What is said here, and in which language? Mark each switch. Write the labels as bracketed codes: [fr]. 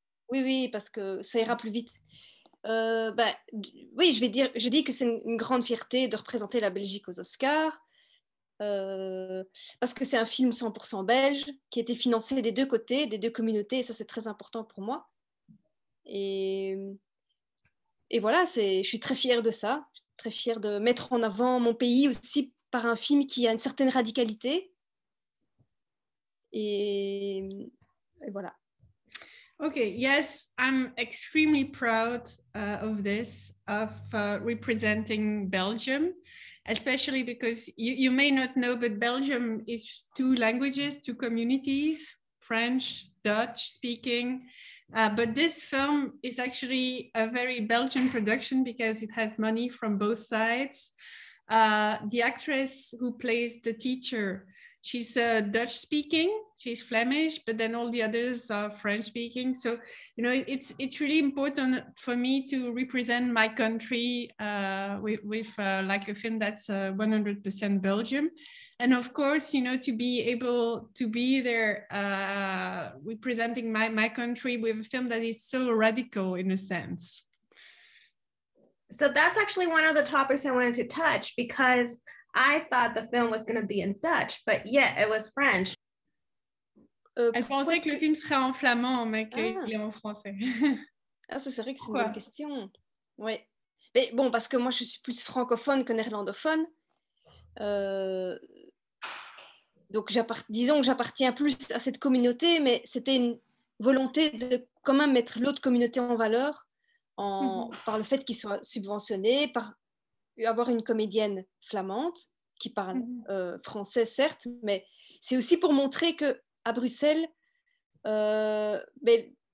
[fr] Oui, oui, parce que ça ira plus vite. Oui, je dis que c'est une grande fierté de représenter la Belgique aux Oscars, parce que c'est un film 100% belge qui a été financé des deux côtés, des deux communautés, et ça, c'est très important pour moi. Et voilà, je suis très fière de ça, très fière de mettre en avant mon pays aussi par un film qui a une certaine radicalité. Et voilà. [en] Okay, yes, I'm extremely proud of this, of representing Belgium, especially because you may not know, but Belgium is two languages, two communities, French, Dutch speaking. But this film is actually a very Belgian production because it has money from both sides. The actress who plays the teacher, she's Dutch speaking, she's Flemish, but then all the others are French speaking. So, you know, it's really important for me to represent my country with a film that's 100% Belgium. And of course, you know, to be able to be there representing my country with a film that is so radical in a sense. So that's actually one of the topics I wanted to touch, because I thought the film was going to be in Dutch, but yeah, it was French. [fr] Elle pensait que le film serait en flamand, mais qu'il est en français. Ah, c'est vrai que c'est une bonne question. Oui. Mais bon, parce que moi, je suis plus francophone que néerlandophone. Donc, disons que j'appartiens plus à cette communauté, mais c'était une volonté de quand même mettre l'autre communauté en valeur par le fait qu'il soit subventionné, par avoir une comédienne flamande qui parle français, certes, mais c'est aussi pour montrer que à Bruxelles, il